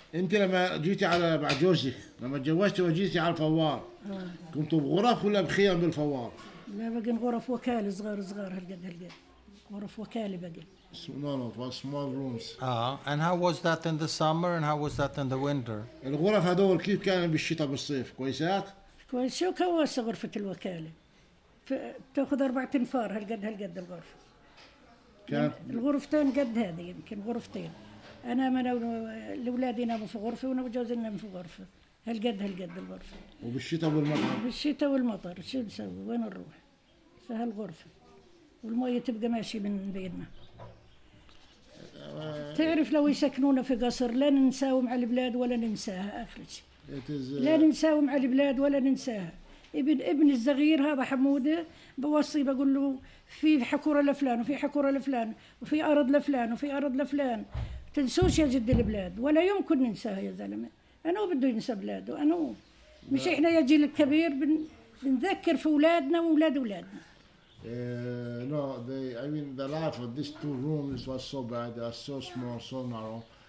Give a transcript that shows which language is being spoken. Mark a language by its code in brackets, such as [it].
[ar] أنت لما جيتي على مع جوزك لما جوزتي وجيتي على الفوار. كنتوا بغرف ولا بخيام بالفوار؟ لا بقين غرف وكالة صغار هالقد غرف وكالة بقين. [en] No, it was small rooms. And how was that in the summer and how was that in the winter? [ar] الغرف هذول كيف كانوا بالشتاء بالصيف كويسات؟ كويس شو كواسة غرفة الوكالة؟ تأخذ أربعة أنفار هالقد الغرفة. الغرفتين قد هذه يمكن غرفتين. أنا من أولادي ناموا في غرفة وأنا وجوزي ناموا في غرفة. هالقد الغرفة. وبالشتاء والمطر. بالشتاء والمطر شو نسوي وين نروح في هالغرفة والمية تبقى ماشي من بيننا تعرف لو يسكنونا في قصر لا نساوم على البلاد ولا ننساها آخر شيء لا نساوم على البلاد ولا ننساها ابن الصغير هذا حمودة بوصي بقول له في حكورة لفلان وفي حكورة لفلان وفي أرض لفلان وفي أرض لفلان تنسوش يا جد البلاد ولا يمكن ننساها يا زلمة أنا بده ينسى بلاده أنا مش إحنا يا جيل الكبير بنذكر في أولادنا وأولاد أولادنا. [en] No, the life of these two rooms was so bad, they are so small, so narrow.